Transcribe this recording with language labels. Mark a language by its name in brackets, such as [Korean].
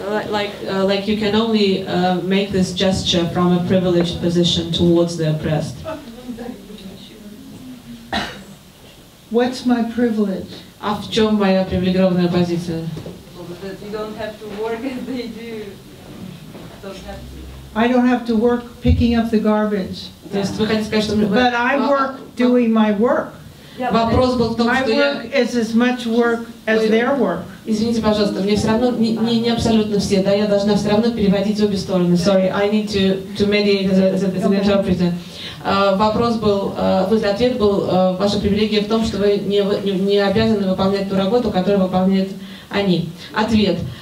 [English] Like you can only make this gesture from a privileged position towards the oppressed. What's my privilege? [Russian] А в чем моя привилегированная позиция? [English] You don't have to work as they do. Don't have to. I don't have to work picking up the garbage. But I work doing my work. [Russian] Вопрос был в том, что [English] my work is as much work as their work. [Russian] Извините, пожалуйста, мне все равно не абсолютно все, да, я должна все равно переводить обе стороны. [English] Sorry, I need to mediate as an interpreter. [Russian] Вопрос был, ответ был, ваша привилегия в том, что вы не обязаны выполнять ту работу, которую выполняет они. Ответ.